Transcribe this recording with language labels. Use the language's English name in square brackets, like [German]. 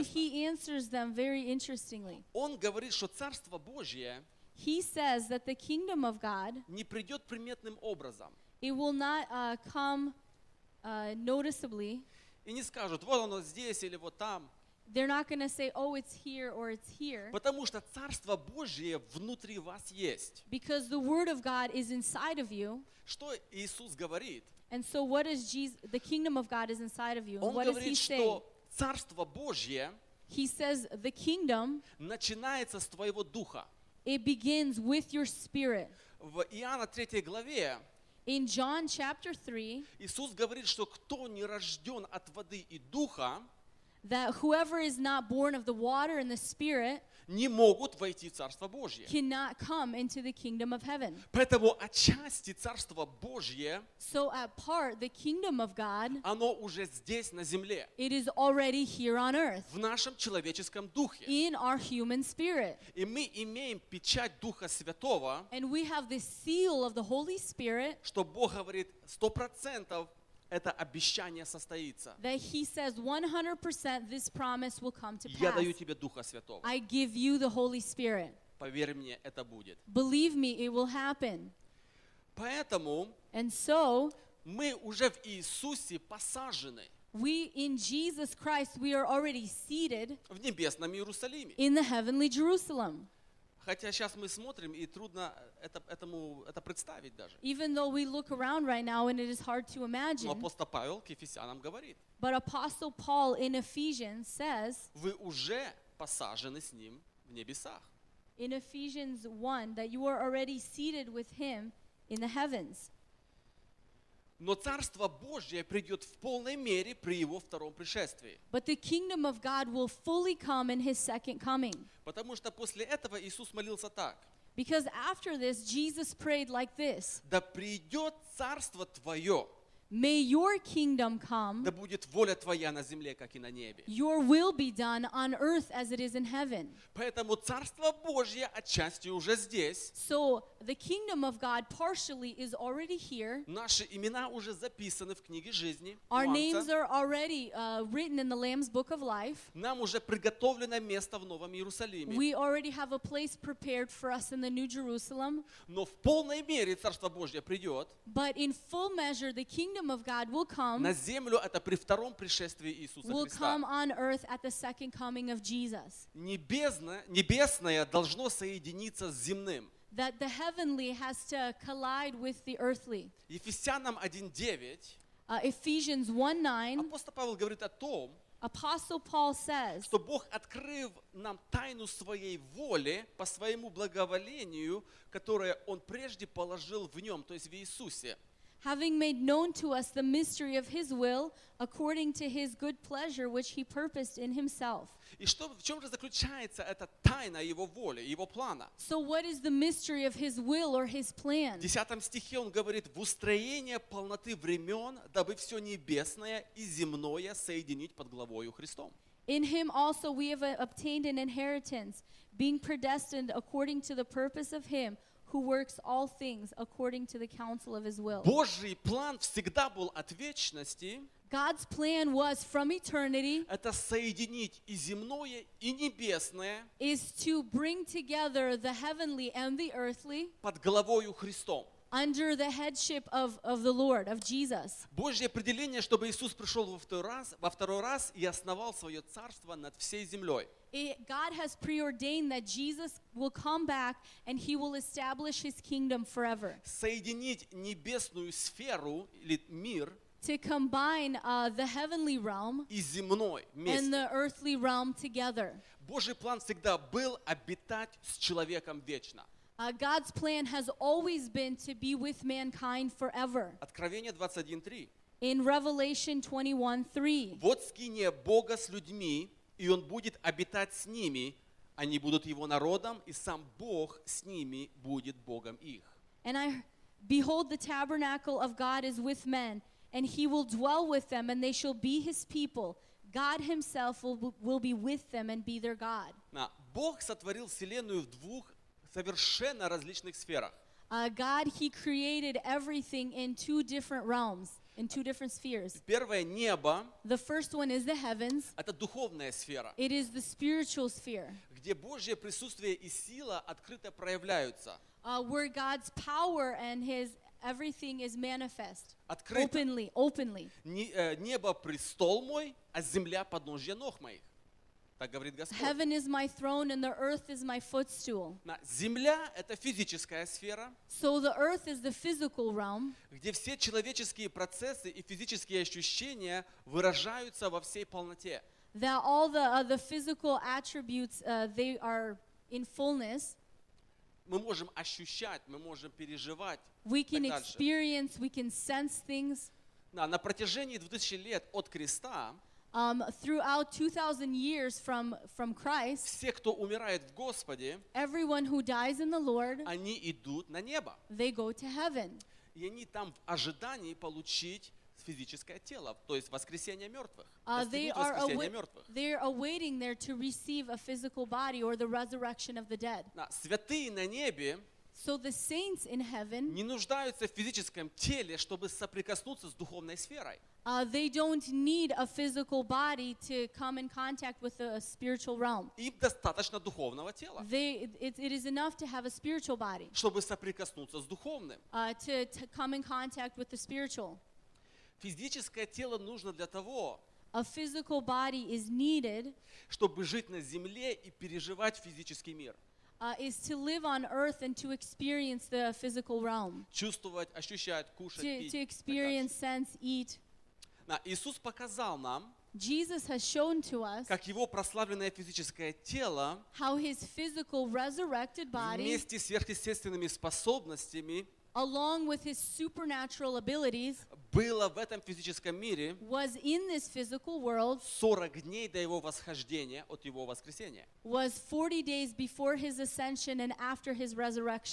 [English] And he answers them very interestingly. [Russian] Он говорит, что Царство Божье, [English] he says that the kingdom of God, [Russian] не придет приметным образом. [English] It will not come noticeably. [Russian] И не скажут, вот оно здесь или вот там. [English] They're not going to say, oh, it's here or it's here. [Russian] Потому что Царство Божие внутри вас есть. [English] Because the word of God is inside of you. [Russian] Что Иисус говорит? [English] And so what is Jesus, the kingdom of God is inside of you. [Russian] Он [English] what [Russian] говорит, [English] does he [Russian] что Царство Божие, [English] he says, the kingdom, [Russian] начинается с твоего духа. [English] It begins with your spirit. [Russian] В Иоанна 3 главе, [English] in John chapter 3, [Russian] Иисус говорит, что кто не рожден от воды и духа, [English] that whoever is not born of the water and the spirit, [Russian] не могут войти в Царство Божье. [English] Cannot come into the kingdom of heaven. [Russian] Поэтому отчасти Царство Божье, [English] so at part, the kingdom of God, [Russian] оно уже здесь на земле. [English] It is already here on earth. [Russian] В нашем человеческом духе. [English] In our human spirit. [Russian] И мы имеем печать Духа Святого, [English] and we have the seal of the Holy Spirit, [Russian] что Бог говорит 100% это обещание состоится. [English] That he says 100% this promise will come to pass. [Russian] Я даю тебе Духа Святого. [English] I give you the Holy Spirit. [Russian] Поверь мне, это будет. [English] Believe me, it will happen. [Russian] Поэтому, [English] and so, [Russian] мы уже в Иисусе посажены. [English] We in Jesus Christ we are already seated. [Russian] В небесном Иерусалиме. [English] In the heavenly Jerusalem. [Russian] Хотя сейчас мы смотрим, и трудно это представить даже. [English] Even though we look around right now and it is hard to imagine. [Russian] Но апостол Павел к Ефесянам говорит. [English] But Apostle Paul in Ephesians says. [Russian] Вы уже посажены с ним в небесах. [English] In Ephesians 1, that you are already seated with him in the heavens. [Russian] Но Царство Божье придет в полной мере при его втором пришествии. [English] But the kingdom of God will fully come in his second coming. [Russian] Потому что после этого Иисус молился так. [English] Because after this, Jesus prayed like this. [Russian] Да придет Царство Твое. [English] May your kingdom come. [Russian] Да будет воля Твоя на земле, как и на небе. [English] Your will be done on earth as it is in heaven. [Russian] Поэтому Царство Божье отчасти уже здесь. [English] So the kingdom of God partially is already here. [Russian] Наши имена уже записаны в книге жизни. [English] Our names are already written in the Lamb's book of life. [Russian] Нам уже приготовлено место в Новом Иерусалиме. [English] We already have a place prepared for us in the New Jerusalem. [Russian] Но в полной мере Царство Божье придет. [English] But in full measure the kingdom of God will come. [Russian] На землю это при втором пришествии Иисуса Христа. [English] Will come on earth at the second coming of Jesus. [Russian] Небесное должно соединиться с земным. [English] That the heavenly has to collide with the earthly. [Russian] Ефесянам 1:9. [English] Ephesians 1:9. [Russian] Апостол Павел говорит о том, [English] Apostle Paul says, [Russian] что Бог открыл нам тайну своей воли по своему благоволению, которое он прежде положил в нем, то есть в Иисусе. [English] having made known to us the mystery of his will, according to his good pleasure, which he purposed in himself. [Russian] И что, в чем же заключается эта тайна его воли, его плана? [English] So what is the mystery of his will or his plan? [Russian] В 10 стихе он говорит, в устроение полноты времен, дабы все небесное и земное соединить под главою Христом. [English] In him also we have obtained an inheritance, being predestined according to the purpose of him who works all things according to the counsel of his will. [Russian] Божий план всегда был от вечности. [English] God's plan was from eternity. [Russian] Это соединить и земное, и небесное. [English] Is to bring together the heavenly and the earthly. [Russian] Под главою Христом. [English] Under the headship of the Lord, of Jesus. [Russian] Божье определение, чтобы Иисус пришел во второй раз и основал свое царство над всей землей. [English] God has preordained that Jesus will come back and he will establish his kingdom forever. [Russian] Соединить небесную сферу или мир. [English] To combine the heavenly realm [Russian] и земной вместе. [English] And the earthly realm together. [Russian] Божий план всегда был обитать с человеком вечно. [English] God's plan has always been to be with mankind forever. [Russian] Откровение 21:3. [English] In Revelation 21:3. [Russian] Вот скиния Бога с людьми, и он будет обитать с ними, они будут его народом, и сам Бог с ними будет Богом их. [English] And I behold the tabernacle of God is with men, and he will dwell with them, and they shall be his people. God himself will be with them and be their God. [Russian] Бог сотворил вселенную в двух совершенно различных сферах. [English] God, he created everything in two different realms, in two different spheres. [Russian] Первое небо. [English] The first one is the heavens. [Russian] Это духовная сфера. [English] It is the spiritual sphere. [Russian] Где Божье присутствие и сила открыто проявляются. [English] Where God's power and his everything is manifest. Openly. [Russian] Небо престол мой, а земля подножье ног моих. [English] Heaven is my throne and the earth is my footstool. [Russian] Земля — это физическая сфера. [English] So the earth is the physical realm. [Russian] Где все человеческие процессы и физические ощущения выражаются во всей полноте. [English] That all the physical attributes, they are in fullness. [Russian] Мы можем ощущать, мы можем переживать. [English] We can experience, we can sense things. [Russian] На протяжении 2000 лет от креста. [English] Throughout 2,000 years from Christ, [Russian] все, кто умирает в Господе, [English] everyone who dies in the Lord, [Russian] они идут на небо. [English] They go to heaven. [Russian] И они там в ожидании получить физическое тело, то есть воскресение мертвых. [English] They are awaiting there to receive a physical body or the resurrection of the dead. [Russian] Святые на небе. [English] So the saints in heaven [Russian] не нуждаются в физическом теле, чтобы соприкоснуться с духовной сферой. [English] They don't need a physical body to come in contact with the spiritual realm. [Russian] Им достаточно духовного тела. [English] It is enough to have a spiritual body. [Russian] Чтобы соприкоснуться с духовным. [English] To come in contact with the spiritual. [Russian] Физическое тело нужно для того. [English] A physical body is needed. [Russian] Чтобы жить на земле и переживать физический мир. [English] Is to live on earth and to experience the physical realm. [Russian] Чувствовать, ощущать, кушать, пить. [English] To experience, sense, eat. [Russian] Иисус показал нам, [English] Jesus has shown to us, [Russian] как его прославленное физическое тело, [English] how his physical resurrected body, [Russian] вместе с сверхъестественными способностями, [English] along with his supernatural abilities, [Russian] было в этом физическом мире, [English] was in this physical world, [Russian] 40 дней до его восхождения от его воскресения, [English] was 40 days before his ascension and after his resurrection.